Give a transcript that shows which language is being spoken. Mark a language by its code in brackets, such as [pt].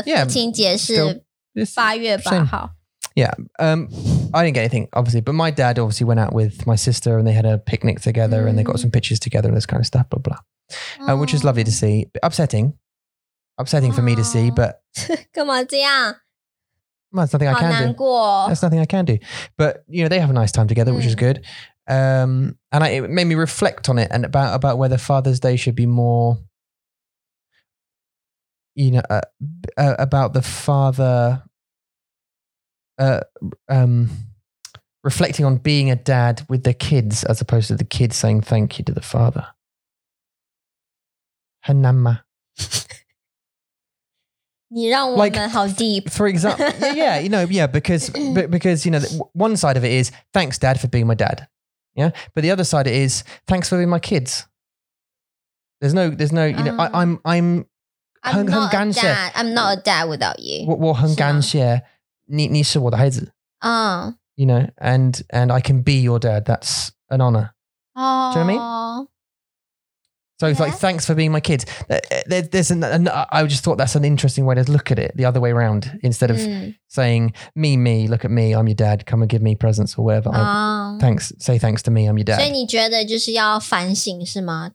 [zh] 因为你在台湾啊。我们台湾的父亲节是8月8号。 [en] Yeah. I didn't get anything, obviously. But my dad obviously went out with my sister and they had a picnic together and they got some pictures together and this kind of stuff, blah, blah. Which is lovely to see. Upsetting. Upsetting for me to see, but... Come on, [zh] 这样。 [en] Well, that's nothing I can do. That's nothing I can do. But, you know, they have a nice time together, which is good. And it made me reflect on it and about whether Father's Day should be more, you know, about the father reflecting on being a dad with the kids as opposed to the kids saying thank you to the father. Hanama. [zh] 你让我们好deep. [en] Like, for example, yeah, you know, yeah, because you know, one side of it is, thanks, dad, for being my dad. Yeah. But the other side of it is, thanks for being my kids. There's no, you know, I'm not a dad without you. [zh] 我很感谢你是我的孩子. [en] You know, and I can be your dad. That's an honor. Do you know what I mean? So it's like, thanks for being my kids. I just thought that's an interesting way to look at it the other way around. Instead of saying, me, look at me, I'm your dad. Come and give me presents or whatever. Say thanks to me, I'm your dad. [zh] 所以你觉得就是要反省是吗?